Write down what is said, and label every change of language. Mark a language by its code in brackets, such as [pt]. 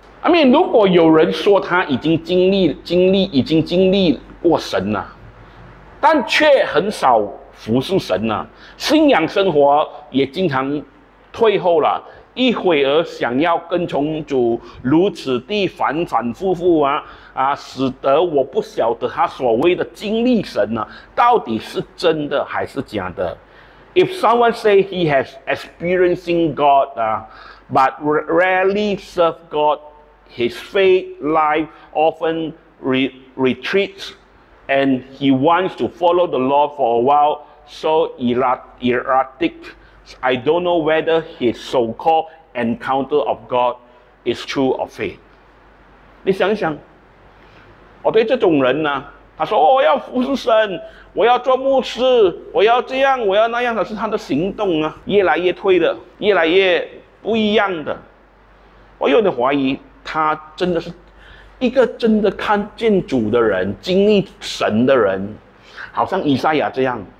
[zh] 阿弥，如果有人说他已经经历过神了，但却很少服侍神了，信仰生活也经常退后了，一会儿想要跟从主，如此地反反复复啊，使得我不晓得他所谓的经历神呢，到底是真的还是假的。 [en] If someone say he has experiencing God, but rarely serve God,His faith life often retreats, and he wants to follow the Lord for a while. So erratic, I don't know whether his so-called encounter of God is true or fake. [zh] 你想一想，我对这种人呢，他说、哦、我要服侍神，我要做牧师，我要这样，我要那样，可是他的行动呢，越来越退的，越来越不一样的。我有点怀疑。他真的是一个真的看见主的人，经历神的人，好像以赛亚这样。